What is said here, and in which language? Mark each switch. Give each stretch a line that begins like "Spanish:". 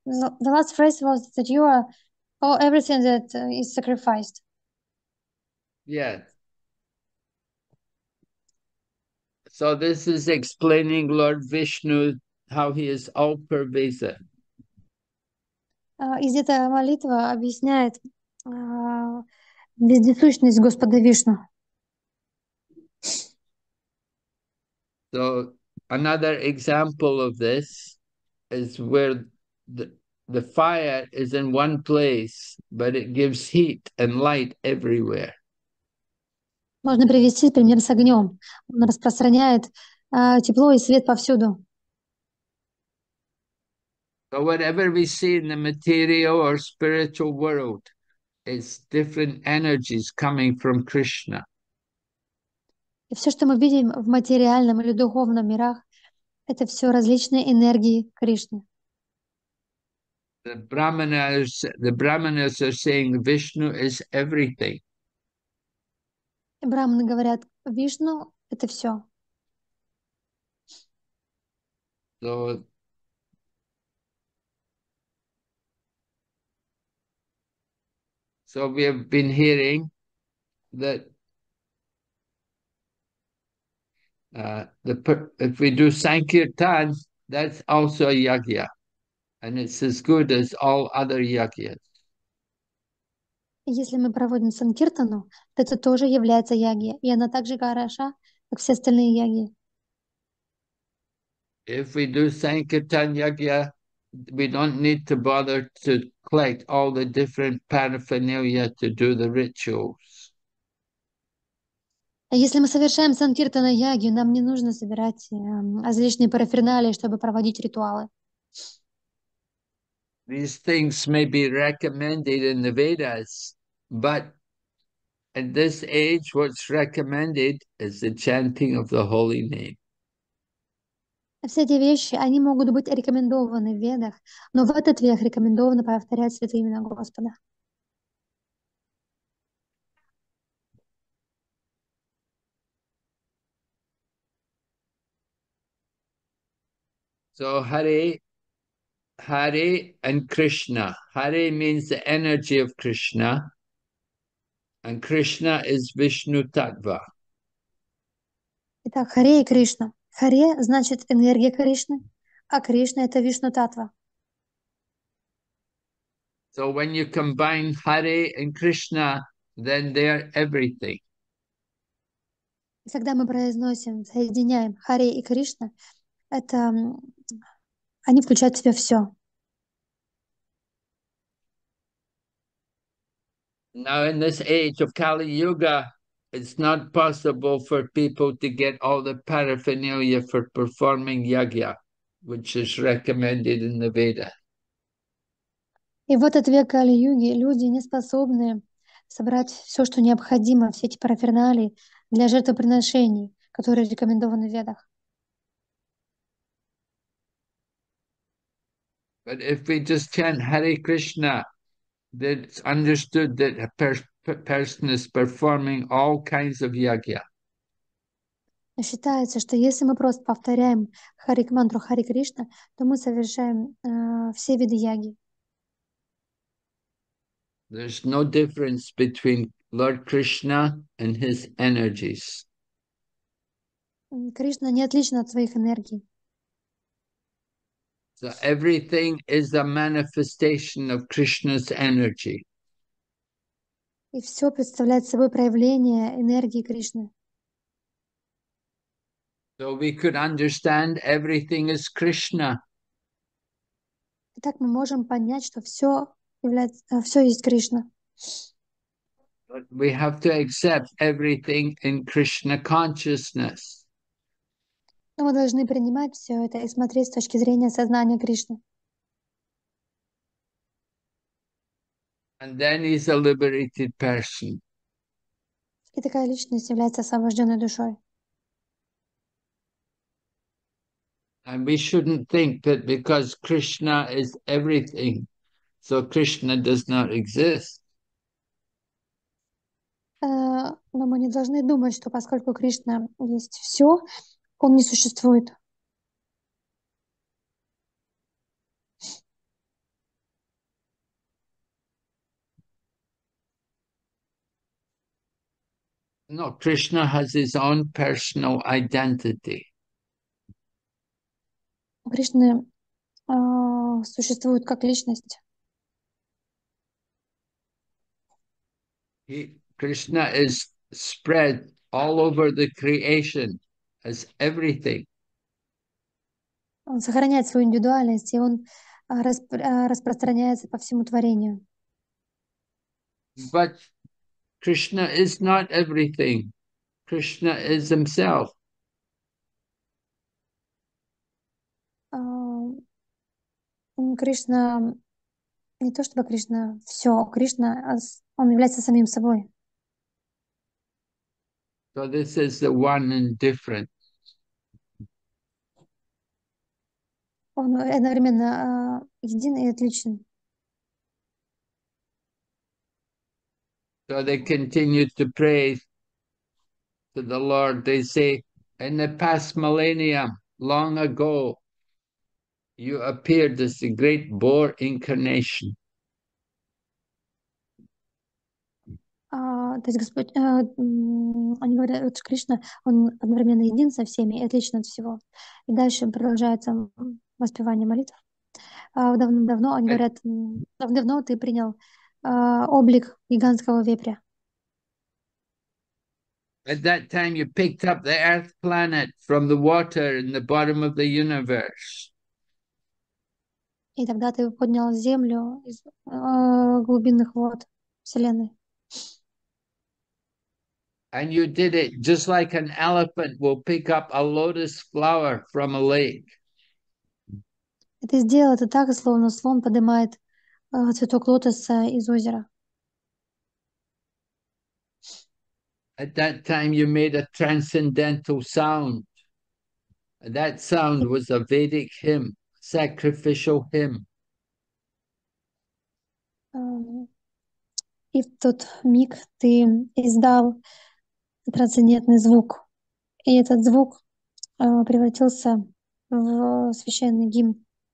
English: The last phrase was that you are all everything that is sacrificed. Yes. So this is explaining Lord Vishnu how he is all pervasive.
Russian: Из этой молитвы объясняет вездесущность Господа Вишну.
English: So another example of this is where the fire is in one place, but it gives heat and light everywhere.
Russian: Можно привести пример с огнем. Он распространяет тепло и свет повсюду.
English: So whatever we see in the material or spiritual world, it's different energies coming from Krishna.
Russian: И все, что мы видим в материальном или духовном мирах, это все различные энергии Кришны.
English: The Brahmanas are saying Vishnu is everything.
Russian: Брахманы говорят, Вишну — это все.
English: So, so we have been hearing that if we do Sankirtan, that's also a yagya. And it's as good as all other yagyas.
Russian: Если мы проводим санкиртану, то это тоже является ягья, и она так же хороша, как все остальные ягьи.
English: If we do Sankirtan Yajna, we don't need to bother to collect all the different paraphernalia to do the rituals.
Russian: А если мы совершаем санкиртана-ягью, нам не нужно собирать различные параферналии, чтобы проводить ритуалы.
English: These things may be recommended in the Vedas, but in this age, what's recommended is the chanting of the holy name.
Russian: Все эти вещи, они могут быть рекомендованы в Ведах, но в этот век рекомендовано повторять святые имена Господа.
English: So Hare and Krishna. Hare means the energy of Krishna, and Krishna is Vishnu Tattva.
Russian: Итак, Харе и Кришна. Харе значит энергия Кришны, а Кришна это Вишну Татва.
English: So when you combine Hare and Krishna, then they are everything.
Russian: И когда мы произносим, соединяем Харе и Кришна, это они включают в себя все.
English: Now, in this age of Kali-Yuga, it's not possible for people to get all the paraphernalia for performing yajna, which is recommended in the Veda.
Russian: И в этот век Кали-Юги люди не способны собрать все, что необходимо, все эти параферналии для жертвоприношений, которые рекомендованы в Ведах.
English: But if we just chant Hare Krishna, that it's understood that a person is performing all kinds of yajna.
Russian: Но считается, что если мы просто повторяем Хари-мантру Хари Кришна, то мы совершаем все виды яги.
English: There's no difference between Lord Krishna and his energies.
Russian: Кришна не отлична от своих энергий.
English: So everything is a manifestation of Krishna's energy.
Russian: И все представляет собой проявление энергии Кришны.
English: So we could understand everything is Krishna.
Russian: Итак, мы можем понять, что все является, все есть Кришна.
English: But we have to accept everything in Krishna consciousness.
Russian: Но мы должны принимать все это и смотреть с точки зрения сознания Кришны.
English: And then he's a liberated person.
Russian: И такая личность является освобожденной душой.
English: And we shouldn't think that because Krishna is everything, so Krishna does not exist.
Russian: Но мы не должны думать, что поскольку Кришна есть все, он не существует.
English: No, Krishna has his own personal identity.
Russian: У Кришны существует как личность.
English: Krishna is spread all over the creation as everything.
Russian: Он сохраняет свою индивидуальность, и он распространяется по всему творению.
English: But Krishna is not everything. Krishna is himself.
Russian: Кришна, не то чтобы Кришна, все, Кришна, он является самим собой.
English: So this is the one and different.
Russian: Он одновременно един и отличен.
English: So they continue to pray to the Lord. They say, in the past millennium, long ago, you appeared as the great boar incarnation.
Russian: То есть Господь, они говорят, что Кришна, он одновременно един со всеми и отличен от всего. И дальше продолжается воспевание молитв. Давным-давно, они говорят, давным-давно ты принял облик гигантского вепря.
English: At that time, you picked up the Earth planet from the water in the bottom of the universe.
Russian: И тогда ты поднял Землю из глубинных вод Вселенной.
English: And you did it just like an elephant will pick up a lotus flower from a lake.
Russian: И ты сделал это так, словно слон поднимает цветок лотоса из озера.
English: At that time, you made a transcendental sound. And that sound was a Vedic hymn, sacrificial hymn.
Russian: И в тот миг ты издал трансцендентный звук, и этот звук превратился в священный гимн.